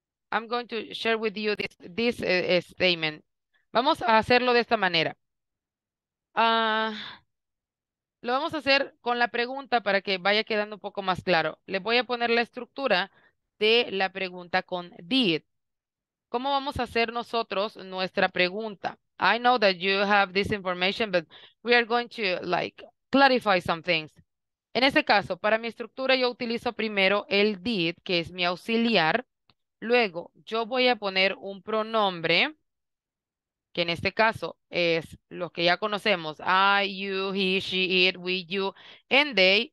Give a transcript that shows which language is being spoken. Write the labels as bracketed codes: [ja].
[en] I'm going to share with you this statement. [es] Vamos a hacerlo de esta manera. Lo vamos a hacer con la pregunta para que vaya quedando un poco más claro. Les voy a poner la estructura de la pregunta con did. ¿Cómo vamos a hacer nosotros nuestra pregunta? [en] I know that you have this information, but we are going to, like, clarify some things. [es] En este caso, para mi estructura, yo utilizo primero el did, que es mi auxiliar. Luego, yo voy a poner un pronombre, que en este caso es los que ya conocemos. [en] I, you, he, she, it, we, you, and they.